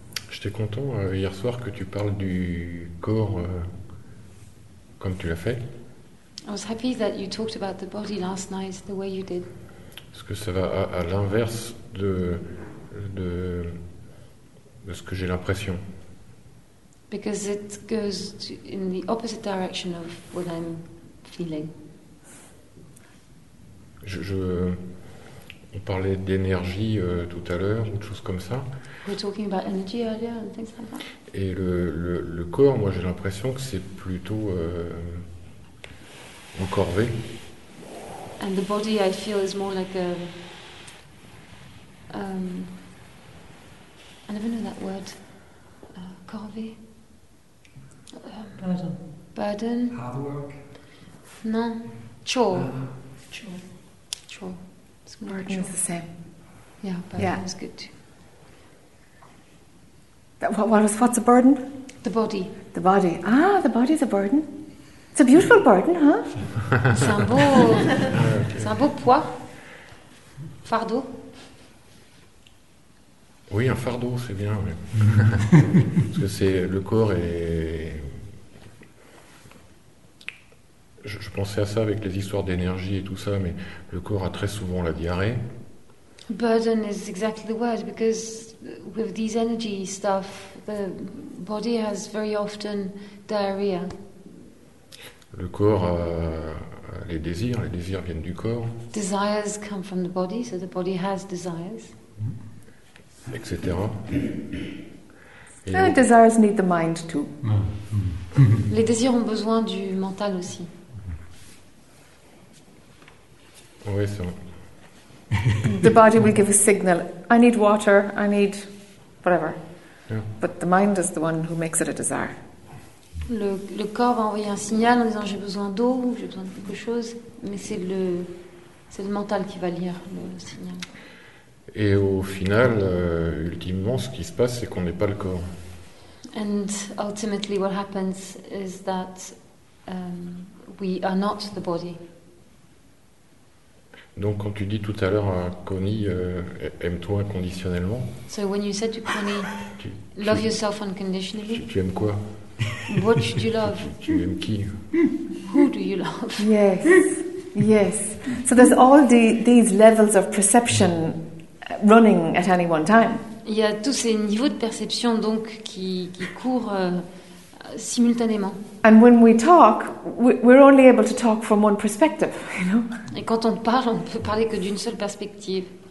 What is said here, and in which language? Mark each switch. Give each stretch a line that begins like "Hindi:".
French: J'étais content hier soir que tu parles du corps comme tu l'as fait.
English: I was happy that you talked about the body last night the way you did.
French: Parce que ça va à l'inverse de ce que j'ai l'impression.
English: Because it goes in the opposite direction of what I'm feeling.
French: On parlait d'énergie tout à l'heure, ou de choses comme ça.
English: We're talking about energy earlier and things like that.
French: Et le corps, moi j'ai l'impression que c'est plutôt encorvé.
English: And the body, I feel, is more like a. I never know that word. Corvée. Burden. Hard work. Non. Chore. Chore. It's more chore. It's the same. Yeah, burden is good too. What's a burden? The body. The body. Ah, the body's a burden. It's a beautiful burden, huh?
French: C'est un beau poids. Fardeau. Oui, un fardeau, c'est bien. Oui. Parce que c'est le corps est. Je pensais à ça avec les histoires d'énergie et tout ça, mais le corps a très souvent la diarrhée.
English: Burden is exactly the word because with these energy stuff, the body has very often diarrhea.
French: Le corps a les désirs viennent du corps.
English: Desires come from the body, so the body has desires.
French: Etc.
English: Desires need the mind too.
French: Les désirs ont besoin du mental aussi. Oui, c'est vrai.
English: The body will give a signal. I need water, I need whatever. Yeah. But the mind is the one who makes it a desire.
French: Le corps va envoyer un signal en disant j'ai besoin d'eau, j'ai besoin de quelque chose, mais c'est le mental qui va lire le signal. Et au final, ultimement, ce qui se passe, c'est qu'on n'est pas le corps.
English: And ultimately, what happens is that we are not the body.
French: Donc, quand tu dis tout à l'heure, Connie, aime-toi inconditionnellement.
English: So when you said to Connie, love yourself unconditionally.
French: Tu aimes quoi?
English: What should you love?
French: Tu aimes qui?
English: Who do you love? Yes. So there's all these levels of perception. Running at any one time.
French: Il y a tous ces niveaux de perception donc qui courent simultanément.
English: And when we talk, we're only able to talk from one perspective, you know.
French: Et quand on parle, on ne peut parler que d'une seule perspective.